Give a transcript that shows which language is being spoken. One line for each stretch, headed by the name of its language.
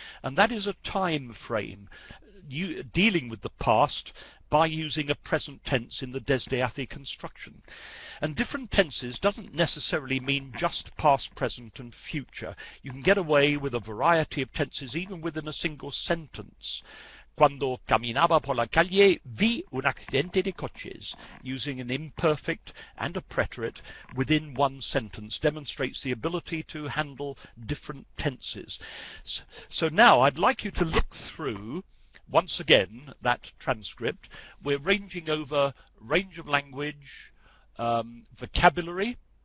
English: And that is a time frame. Dealing with the past by using a present tense in the desde hace construction. And different tenses doesn't necessarily mean just past, present, and future. You can get away with a variety of tenses even within a single sentence.
Spanish: Cuando caminaba por la calle, vi un accidente de coches.
English: Using an imperfect and a preterite within one sentence demonstrates the ability to handle different tenses. So now I'd like you to look through, once again, that transcript. We're ranging over range of language, vocabulary.